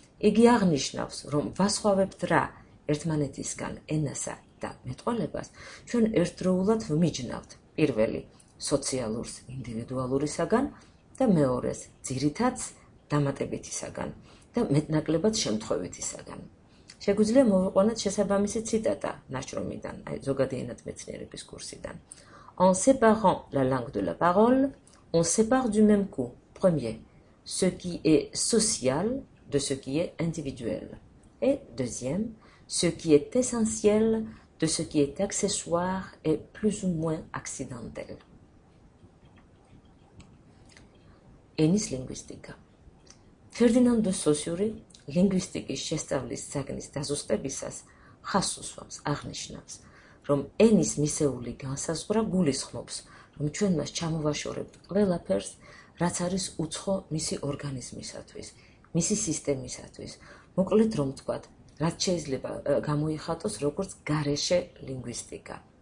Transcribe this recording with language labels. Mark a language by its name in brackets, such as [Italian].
[Georgian] იგი აღნიშნავს, რომ ვასხვავებთ რა ერთმანეთისგან ენასა და მეტყველებას, ჩვენ ერთდროულად ვმიჯნავთ პირველი სოციალურს ინდივიდუალურისაგან და მეორეს ძირითადს დამატებითისაგან და მეტნაკლებად შემთხვევითისაგან. შეგვიძლია მოვიყვანოთ შესაბამისი ციტატა ნაშრომიდან, აი ზოგადი ენათმეცნიერების კურსიდან. [French] En séparant la langue de la parole, on sépare du même coup, premier, ce qui est social de ce qui est individuel, et deuxième, ce qui est essentiel de ce qui est accessoire et plus ou moins accidentel. Ennis linguistica. [Georgian] ფერდინანდ დე სოსიური ლინგვისტიკის შესწავლის საგნის დაზუსტებისას ხაზს უსვამს, აღნიშნავს, რომ ენის მისეული განსაზღვრა გულისხმობს, რომ ჩვენ მას ჩამოვაშორებთ ყველაფერს, რაც არის უცხო მისი ორგანიზმისათვის, მისი სისტემისათვის, მოკლედ რომ ვთქვათ, რაც შეიძლება გამოიხატოს როგორც გარეშე ლინგვისტიკა.